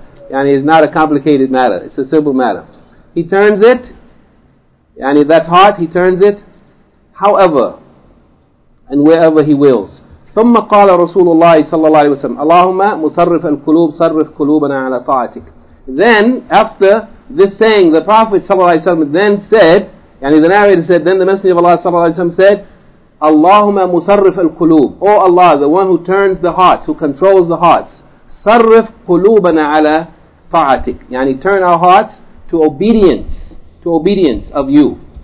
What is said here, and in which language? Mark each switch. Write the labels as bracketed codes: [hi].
[en] It's not a complicated matter. It's a simple matter. He turns it, yani that heart, he turns it however and wherever he wills. [ar] ثم قال رسول الله صلى الله عليه وسلم اللهم مصرف القلوب صرف قلوبنا على طاعتك. [en] Then, after this saying, the Prophet ﷺ then said, yani the narrator said, then the Messenger of Allah ﷺ said, [ar] Allahumma musarrif al-kulub, [en] O Allah, the one who turns the hearts, who controls the hearts, [ar] sarrif kulubana ala fa'atik, [en] yani turn our hearts to obedience of you.